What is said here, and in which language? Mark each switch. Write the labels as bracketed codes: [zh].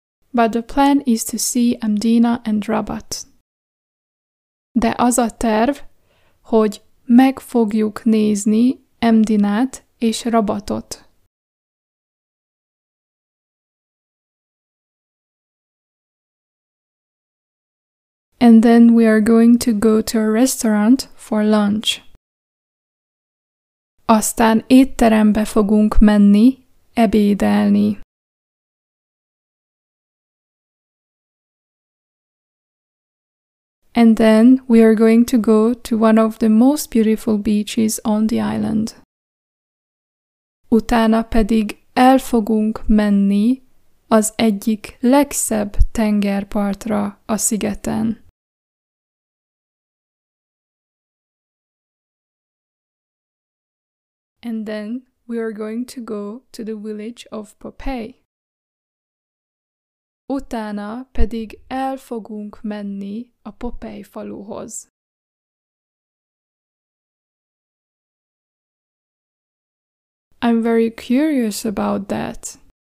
[en] But the plan is to see Amdina and Rabat. [hu] De az a terv, hogy meg fogjuk nézni Amdinát és Rabatot. [en] And then we are going to go to a restaurant for lunch. [hu] Aztán étterembe fogunk menni ebédelni. [en] And then we are going to go to one of the most beautiful beaches on the island. [hu] Utána pedig el fogunk menni az egyik legszebb tengerpartra a szigeten. [en] And then we are going to go to the village of Pohpei. [hu] Utána pedig el fogunk menni a Pohpei faluhoz. [en] I'm very curious about that.